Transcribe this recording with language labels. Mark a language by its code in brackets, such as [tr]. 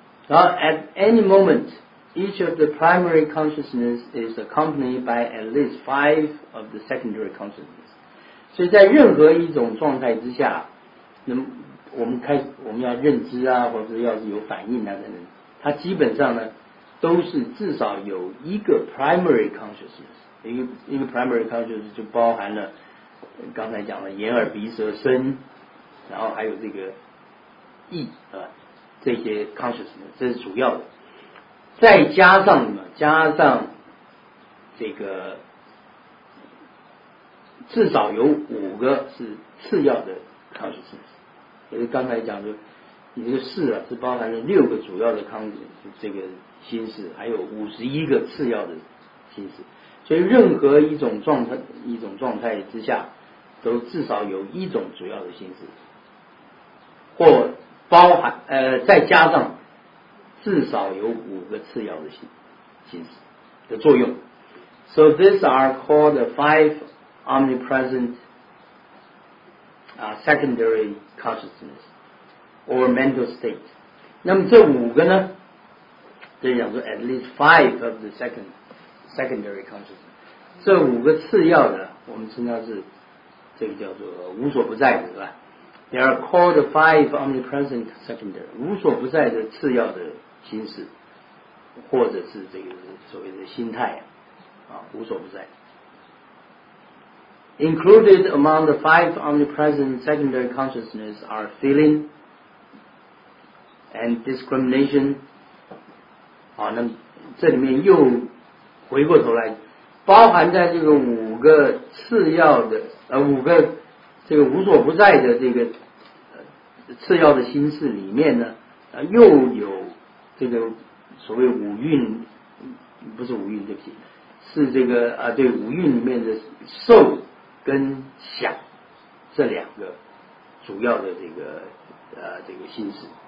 [en] Now, at any moment, each of the primary consciousness is accompanied by at least five of the secondary consciousness. [zh] 所以在任何一种状态之下，那么我们要认知啊，或者要是有反应啊等等，它基本上呢。都是至少有一个 primary consciousness， 一个 primary consciousness 就包含了刚才讲的眼耳鼻舌身，然后还有这个意啊，这些 consciousness 这是主要的，再加上什么？加上这个至少有五个是次要的 consciousness， 也是刚才讲的，你这个四啊是包含了六个主要的 consciousness 这个。心识还有五十一个次要的心识，所以任何一种状态之下，都至少有一种主要的心识，或包含再加上至少有五个次要的心识的作用。 [en] So these are called the five omnipresent secondary consciousness or mental state. [zh] 那么这五个呢？这样讲说 [en] at least five of the secondary consciousness， [zh] 这五个次要的我们称它是这个叫做无所不在的，是吧？ [en] They are called five omnipresent secondary， [zh] 无所不在的次要的心识，或者是这个所谓的心态啊，无所不在。 [en] Included among the five omnipresent secondary consciousness are feeling and discrimination。 [zh] 好，那这里面又回过头来，包含在这个五个次要的五个这个无所不在的这个次要的心识里面呢，又有这个所谓五蕴，不是五蕴，对不起，是这个对，五蕴里面的受跟想这两个主要的这个这个心识。